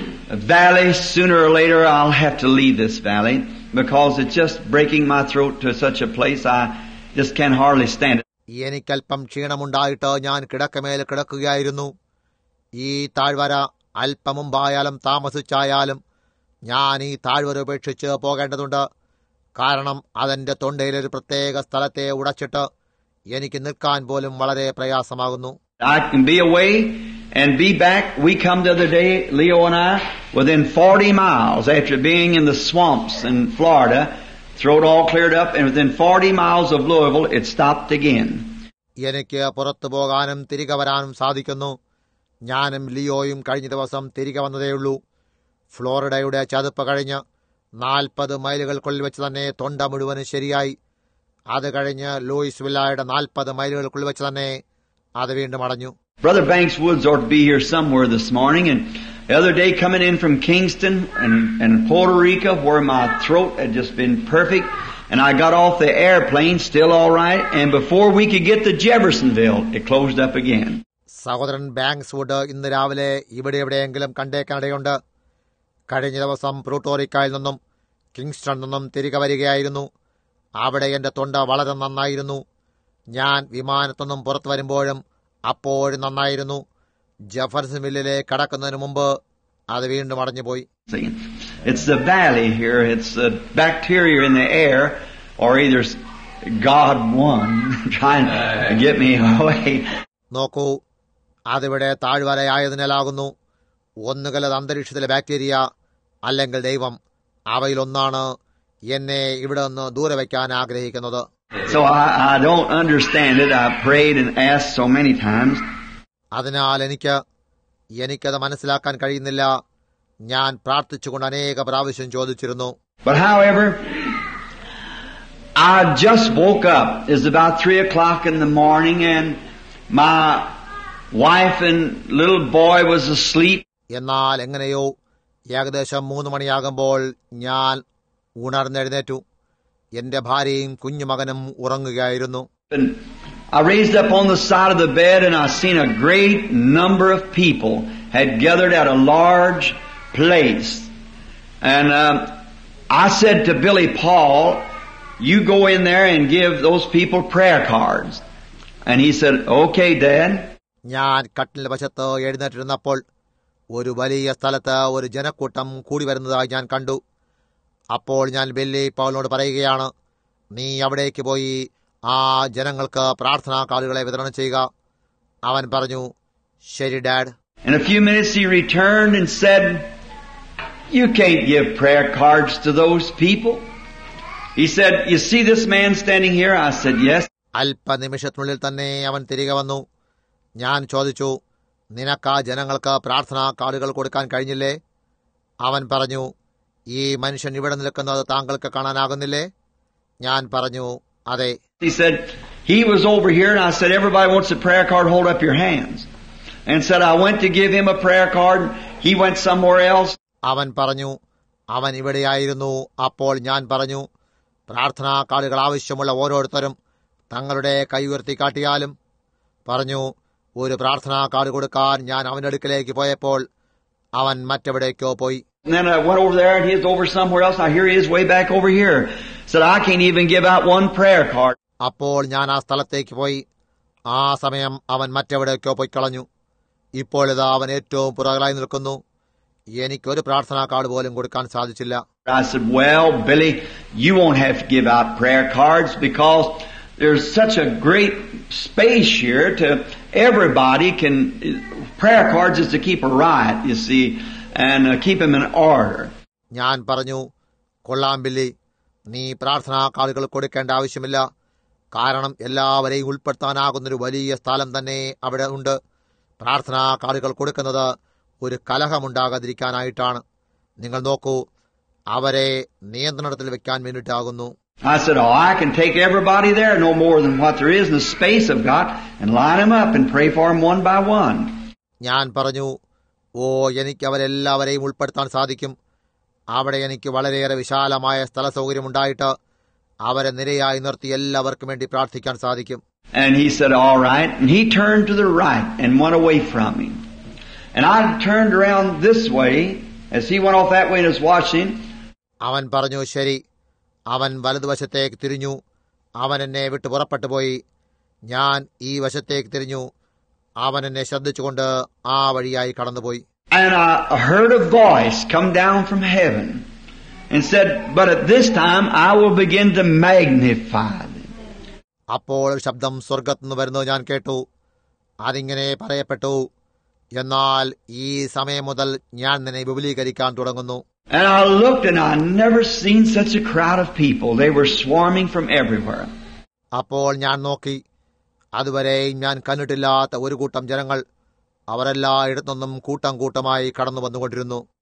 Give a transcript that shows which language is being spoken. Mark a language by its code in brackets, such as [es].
[en] valley, sooner or later I'll have to leave this valley because it's just breaking my throat to such a place I just can hardly stand it. [ml] എനിക്കൽപ്പം ക്ഷീണമുണ്ടായിട്ട് ഞാൻ കിടക്കമേൽ കിടക്കുകയായിരുന്നു. ഈ താഴ്വര അല്പം മുമ്പായാലും താമസിച്ചായാലും ഞാൻ ഈ താഴ്വര ഉപേക്ഷിച്ച് പോകേണ്ടതുണ്ട്. കാരണം അതെന്റെ തൊണ്ടയിലൊരു പ്രത്യേക സ്ഥലത്തെ ഉടച്ചിട്ട് എനിക്ക് നിൽക്കാൻ പോലും വളരെ പ്രയാസമാകുന്നു. [en] I can be away and be back. We come the other day, Leo and I, within 40 miles after being in the swamps in Florida. Throat all cleared up and within 40 miles of Louisville it stopped again. [ml] എനിക്ക് പുറത്തു പോകാനും തിരികെ വരാനും സാധിക്കുന്നു. ഞാനും ലിയോയും കഴിഞ്ഞ ദിവസം തിരികെ വന്നതേയുള്ളൂ. ഫ്ലോറിഡയുടെ ചതുപ്പ് കഴിഞ്ഞ് 40 മൈലുകൾക്കുള്ളിൽ വെച്ച് തന്നെ തൊണ്ട മുഴുവനും ശരിയായി. അത് കഴിഞ്ഞ് ലൂയിസ്വില്ലായുടെ 40 മൈലുകൾക്കുള്ളിൽ വെച്ച് തന്നെ അത് വീണ്ടും അടഞ്ഞു. [en] Brother Banks Woods ought to be here somewhere this morning, and the other day coming in from Kingston and Puerto Rico where my throat had just been perfect, and I got off the airplane still all right, and before we could get to Jeffersonville it closed up again. [ml] സഹോദരൻ banks would ഇന്ന് രാവിലെ ഇവിടെ എവിടെയെങ്കിലും കണ്ടേക്കാനിടയുണ്ട്. കഴിഞ്ഞ ദിവസം പ്രൂട്ടോറിക്കായിൽ നിന്നും Kingston നിന്നും തിരികെ വരികയായിരുന്നു. അവിടെ എന്റെ തൊണ്ട വളരെ നന്നായിരുന്നു. ഞാൻ വിമാനത്തൊന്നും പുറത്തു വരുമ്പോഴും അപ്പോഴും നന്നായിരുന്നു. ജെഫർസൺവില്ലിലെ കടക്കുന്നതിന് മുമ്പ് അത് വീണ്ടും അടഞ്ഞുപോയി. [en] It's the valley here. It's the bacteria in the air, or either God one trying to get me away. [ml] നോക്കൂ, അതിവിടെ താഴ്വരയായതിനാലാകുന്നു. ഒന്നുകിൽ അന്തരീക്ഷത്തിലെ ബാക്ടീരിയ അല്ലെങ്കിൽ ദൈവം, അവയിലൊന്നാണ് എന്നെ ഇവിടെ നിന്ന് ദൂരെ വയ്ക്കാൻ ആഗ്രഹിക്കുന്നത്. [en] So I don't understand it. I prayed and asked so many times. [ml] അതിനാൽ എനിക്കത് മനസ്സിലാക്കാൻ കഴിയുന്നില്ല. ഞാൻ പ്രാർത്ഥിച്ചുകൊണ്ട് അനേക പ്രാവശ്യം ചോദിച്ചിരുന്നു. [en] But however, I just woke up. It's about 3 o'clock in the morning and my wife and little boy was asleep. [ml] എന്നാൽ എങ്ങനെയോ ഏകദേശം 3 മണിയാകുമ്പോൾ ഞാൻ ഉണർന്നെഴുന്നേറ്റു. എന്റെ ഭാര്യയും കുഞ്ഞുമകനും ഉറങ്ങുകയായിരുന്നു. [en] I raised up on the side of the bed and I seen a great number of people had gathered at a large place. And I said to Billy Paul, you go in there and give those people prayer cards. And he said, okay, Dad. [ml] ഞാൻ കട്ടിലിന്റെ വശത്ത് എഴുന്നേറ്റിരുന്നപ്പോൾ ഒരു വലിയ സ്ഥലത്ത് ഒരു ജനക്കൂട്ടം കൂടി വരുന്നതായി ഞാൻ കണ്ടു. അപ്പോൾ ഞാൻ ബില്ലി പൗലിനോട് പറയുകയാണ്, നീ അവിടേക്ക് പോയി ആ ജനങ്ങൾക്ക് പ്രാർത്ഥനാ കാർഡുകളെ വിതരണം ചെയ്യുക. അവൻ പറഞ്ഞു, ശരി dad. [en] In a few minutes he returned and said, you can't give prayer cards to those people. He said, you see this man standing here? I said, yes. [ml] അല്പനിമിഷത്തിനുള്ളിൽ തന്നെ അവൻ തിരികെ വന്നു. ഞാൻ ചോദിച്ചു, നിനക്ക് ആ ജനങ്ങൾക്ക് പ്രാർത്ഥനാ കാർഡുകൾ കൊടുക്കാൻ കഴിഞ്ഞില്ലേ? അവൻ പറഞ്ഞു, ഈ മനുഷ്യൻ ഇവിടെ നിൽക്കുന്നത് താങ്കൾക്ക് കാണാനാകുന്നില്ലേ? ഞാൻ പറഞ്ഞു, അതെ. [en] He said, he was over here and I said, everybody wants a prayer card, hold up your hands. And said, I went to give him a prayer card, he went somewhere else. [ml] അവൻ പറഞ്ഞു, അവൻ ഇവിടെയായിരുന്നു. അപ്പോൾ ഞാൻ പറഞ്ഞു, പ്രാർത്ഥനാ കാർഡുകൾ ആവശ്യമുള്ള ഓരോരുത്തരും തങ്ങളുടെ കൈ ഉയർത്തി കാട്ടിയാലും. പറഞ്ഞു, ഒരു പ്രാർത്ഥനാ കാർഡ് കൊടുക്കാൻ ഞാൻ അവന്റെ അടുക്കലേക്ക് പോയപ്പോൾ അവൻ മറ്റെവിടേക്കോ പോയി. [en] And then I went over there and he is over somewhere else. I hear he is way back over here. Said, I can't even give out one prayer card. [ml] അപ്പോൾ ഞാൻ ആ സ്ഥലത്തേക്ക് പോയി. ആ സമയം അവൻ മറ്റെവിടേക്കോ പോയി കളഞ്ഞു. ഇപ്പോൾ ഇതാ അവൻ ഏറ്റവും പുറകിലായി നിൽക്കുന്നു. എനിക്കൊരു പ്രാർത്ഥനാ കാർഡ് പോലും കൊടുക്കാൻ സാധിച്ചില്ല. [en] I said, well, Billy, you won't have to give out prayer cards because there's such a great space here to everybody can... Prayer cards is to keep a riot, you see. And keep him in order. [ml] ഞാൻ പറഞ്ഞു, കൊള്ളാം Billy, നീ പ്രാർത്ഥനാ കാർഡുകൾ കൊടുക്കേണ്ട ആവശ്യമില്ല. കാരണം എല്ലാവരെയും ഉൾപ്പെടുത്താനാകുന്നൊരു വലിയ സ്ഥലം തന്നെ അവിടെ ഉണ്ട്. പ്രാർത്ഥനാ കാർഡുകൾ കൊടുക്കുന്നത് ഒരു കലഹമുണ്ടാകാതിരിക്കാനായിട്ടാണ്. നിങ്ങൾ നോക്കൂ, അവരെ നിയന്ത്രണത്തിൽ വെക്കാൻ വേണ്ടിയിട്ടാകുന്നു. [en] I said, oh, I can take everybody there, no more than what there is in the space of God, and line them up and pray for them one by one. [ml] ഞാൻ പറഞ്ഞു, ഓ, എനിക്ക് അവരെല്ലാവരെയും ഉൾപ്പെടുത്താൻ സാധിക്കും. അവിടെ എനിക്ക് വളരെയേറെ വിശാലമായ സ്ഥല സൗകര്യമുണ്ടായിട്ട് അവരെ നിരയായി നിർത്തി എല്ലാവർക്കും വേണ്ടി പ്രാർത്ഥിക്കാൻ സാധിക്കും. [en] And he said, all right. And he turned to the right and went away from me. And I turned around this way As he went off that way in his washing, [ml] അവൻ പറഞ്ഞു, ശരി. അവൻ വലതുവശത്തേക്ക് തിരിഞ്ഞു, അവൻ എന്നെ വിട്ടു പുറപ്പെട്ടു പോയി. ഞാൻ ഈ വശത്തേക്ക് തിരിഞ്ഞു, അവൻ എന്നെ ശ്രദ്ധിച്ചുകൊണ്ട് ആ വഴിയായി കടന്നുപോയി. [en] And I heard a voice come down from heaven and said, but at this time I will begin to magnify them. [ml] അപ്പോൾ ശബ്ദം സ്വർഗ്ഗത്തു നിന്ന് വരുന്നു ഞാൻ കേട്ടു. അതിങ്ങനെ പറയപ്പെട്ടു, എന്നാൽ ഈ സമയം മുതൽ ഞാൻ നിന്നെ വിപുലീകരിക്കാൻ തുടങ്ങുന്നു. [en] And I looked and I never seen such a crowd of people. They were swarming from everywhere. [ml] അപ്പോൾ ഞാൻ നോക്കി, അതുവരെ ഞാൻ കണ്ടിട്ടില്ലാത്ത ഒരു കൂട്ടം ജനങ്ങൾ അവരെല്ലാ ഇടത്തുനിന്നും കൂട്ടം കൂട്ടമായി കടന്നു വന്നുകൊണ്ടിരുന്നു.